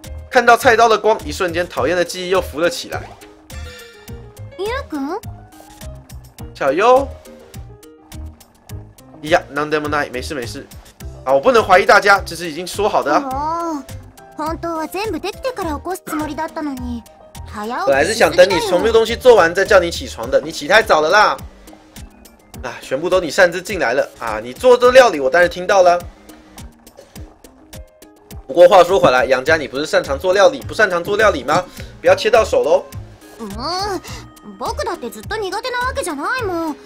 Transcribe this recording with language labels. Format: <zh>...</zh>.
<zh>看到菜刀的光，一瞬间讨厌的记忆又浮了起来。</zh> <ja>ゆう君？</ja> <zh>小优？</zh> <ja>いや、なんでもない。</ja> <zh>没事没事。啊，我不能怀疑大家，这是已经说好的、啊。</zh> <ja>本当は全部できてから起こすつもりだったのに、早起き。</ja> <zh>本来是想等你所有东西做完再叫你起床的，你起太早了啦。啊，全部都你擅自进来了啊！你做的料理我当然听到了。不过话说回来，杨家你不是擅长做料理，不擅长做料理吗？不要切到手喽。</zh> <ja>僕だってずっと苦手なわけじゃないもん。</ja>